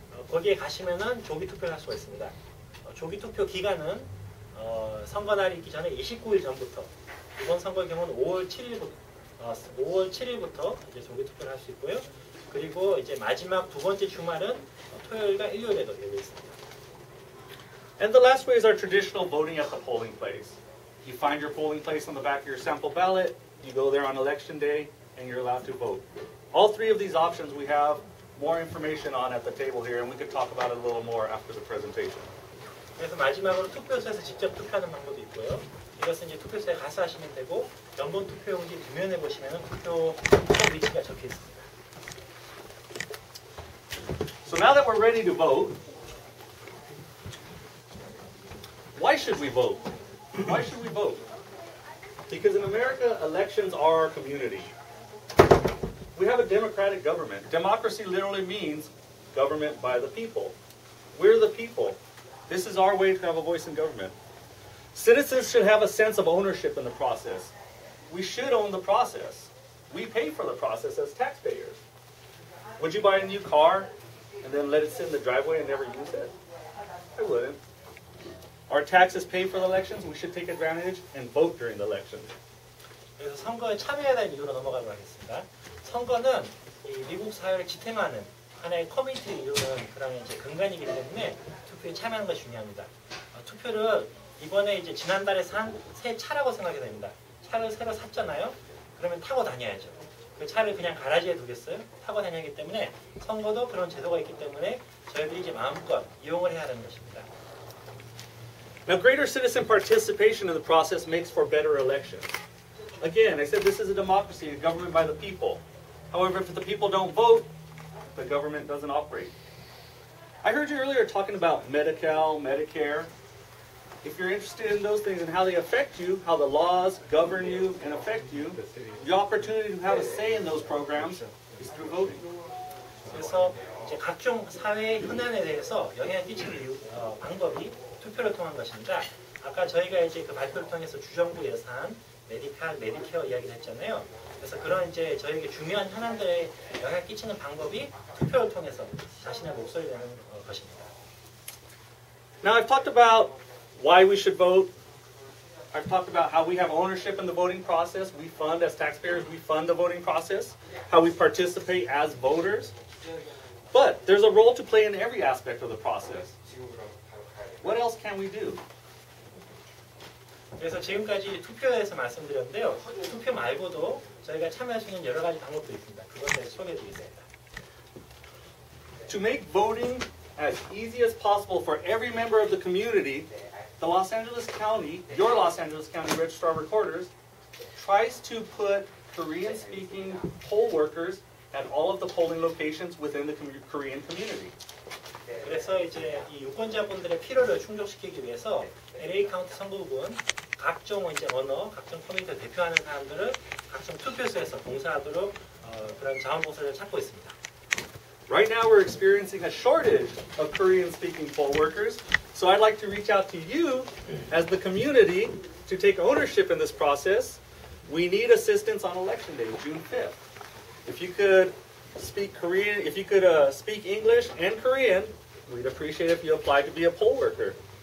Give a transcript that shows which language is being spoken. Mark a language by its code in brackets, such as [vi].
[ko] 거기에 가시면은 조기 투표를 할 수가 있습니다. 조기 투표 기간은 선거날이 있기 전에 29일 전부터 이번 선거의 경우는 5월 7일부터 이제 조기 투표를 할 수 있고요. 그리고 이제 마지막 두 번째 주말은 토요일과 일요일에도 열려 있습니다. [en] And the last way is our traditional voting at the polling place. You find your polling place on the back of your sample ballot, you go there on election day, and you're allowed to vote. All three of these options we have more information on at the table here, and we could talk about it a little more after the presentation. [ko] 그래서 마지막으로 투표소에서 직접 투표하는 방법도 있고요. 이것은 이제 투표소에 가서 하시면 되고, 전본 투표용지 뒷면에 보시면 투표 위치가 적혀 있습니다. [en] So now that we're ready to vote, why should we vote? Why should we vote? Because in America, elections are our community. We have a democratic government. Democracy literally means government by the people. We're the people. This is our way to have a voice in government. Citizens should have a sense of ownership in the process. We should own the process. We pay for the process as taxpayers. Would you buy a new car and then let it sit in the driveway and never use it? I wouldn't. Our taxes pay for the elections. We should take advantage and vote during the elections. [ko] 그래서 선거에 참여해야 될 이유로 넘어가도록 하겠습니다. 선거는 이 미국 사회를 지탱하는 하나의 커뮤니티 이루는 그런 이제 근간이기 때문에 투표에 참여하는 것이 중요합니다. 투표를 이번에 이제 지난달에 산 새 차라고 생각이 됩니다. 차를 새로 샀잖아요? 그러면 타고 다녀야죠. 그 차를 그냥 가라지에 두겠어요? 타고 다녀야기 때문에 선거도 그런 제도가 있기 때문에 저희들이 이제 마음껏 이용을 해야 하는 것입니다. [en] Now, greater citizen participation in the process makes for better elections. Again, I said this is a democracy, a government by the people. However, if the people don't vote, the government doesn't operate. I heard you earlier talking about Medi-Cal, Medicare. If you're interested in those things and how they affect you, how the laws govern you and affect you, the opportunity to have a say in those programs is through voting. [ko] 그래서 이제 각종 사회 현안에 대해서 영향을 미칠 방법이 투표를 통한 것입니다. 아까 저희가 이제 그 발표를 통해서 주정부 예산, 메디칼, 메디케어 이야기를 했잖아요. 그래서 그런 이제 저희에게 중요한 현안들에 영향을 끼치는 방법이 투표를 통해서 자신의 목소리를 내는 것입니다. [en] Now I've talked about why we should vote. I've talked about how we have ownership in the voting process. We fund, as taxpayers, we fund the voting process. How we participate as voters. But there's a role to play in every aspect of the process. What else can we do? [ko] 그래서 지금까지 투표에 대해서 말씀드렸는데요. 투표 말고도 저희가 참여할 수 있는 여러 가지 방법도 있습니다. 그것을 소개해 드리겠습니다. [en] To make voting as easy as possible for every member of the community, the Los Angeles County, your Los Angeles County Registrar Recorders, tries to put Korean-speaking poll workers at all of the polling locations within the Korean community. [ko] 그래서 이제 이 유권자분들의 필요를 충족시키기 위해서 LA 카운티 선거구는 각종 이제 언어, 각종 커뮤니티 대표하는 사람들을 각종 투표소에서 봉사하도록 그런 자원봉사를 찾고 있습니다. [en] Right now we're experiencing a shortage of Korean-speaking poll workers. So I'd like to reach out to you as the community to take ownership in this process. We need assistance on election day, June 5th. If you could speak Korean, if you could speak English and Korean, we'd appreciate it if you applied to be a poll worker.